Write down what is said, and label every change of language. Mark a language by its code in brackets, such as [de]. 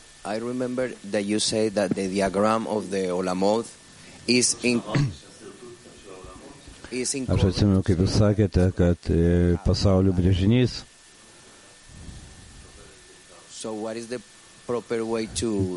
[en] I remember that you say that the diagram of the Olamot is in... [lt] Aš atsimenu, kaip jūs sakėte, kad pasaulio brėžinys. [en] So what is the proper way to...